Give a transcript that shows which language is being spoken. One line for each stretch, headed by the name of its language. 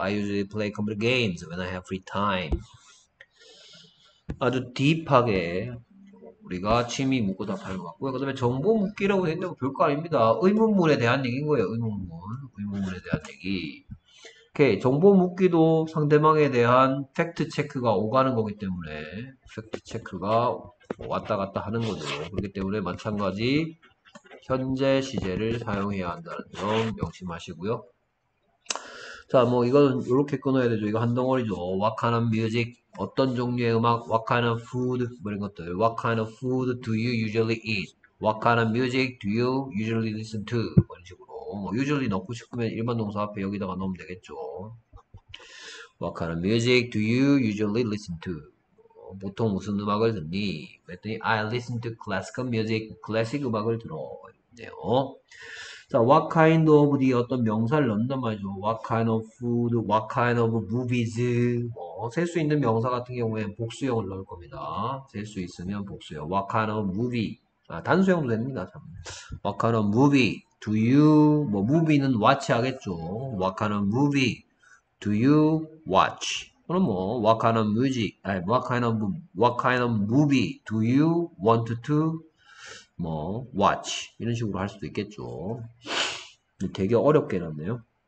English: I usually play computer games when I have free time.
Korean: 아주 딥하게 우리가 취미 묻고 답하는 것 같고요. 그 다음에 정보 묻기라고 했는데 별거 아닙니다. 의문문에 대한 얘기인 거예요. 의문문에 대한 얘기. 오케이. 정보 묻기도 상대방에 대한 팩트 체크가 오가는 거기 때문에 팩트 체크가 왔다 갔다 하는 거죠. 그렇기 때문에 마찬가지 현재 시제를 사용해야 한다는 점 명심하시고요. 자, 뭐 이건 이렇게 끊어야 되죠. 이거 한 덩어리죠.
English: What kind of music?
Korean: 어떤 종류의 음악?
English: What kind of food? 뭐 이런 것들. What kind of food do you usually eat? What kind of music do you usually listen to?
Korean: 이런 식으로. 뭐 usually 넣고 싶으면 일반 동사 앞에 여기다가 넣으면 되겠죠.
English: What kind of music do you usually listen to?
Korean: 보통 무슨 음악을 듣니? 그랬더니
English: I listen to classical music.
Korean: 클래식 음악을 들어. 이랬네요. 자, what kind of 뒤에 어떤 명사를 넣는단 말이죠.
English: What kind of food, what kind of movies.
Korean: 뭐, 셀수 있는 명사 같은 경우에는 복수형을 넣을 겁니다. 셀수 있으면 복수형.
English: What kind of movie.
Korean: 아, 단수형도 됩니다. 참.
English: What kind of movie do you, 뭐, movie는 watch 하겠죠. What kind of movie do you watch? 그럼 뭐, what kind of music, 아니, what kind of movie do you want to 뭐, watch.
Korean: 이런 식으로 할 수도 있겠죠. 되게 어렵게 났네요.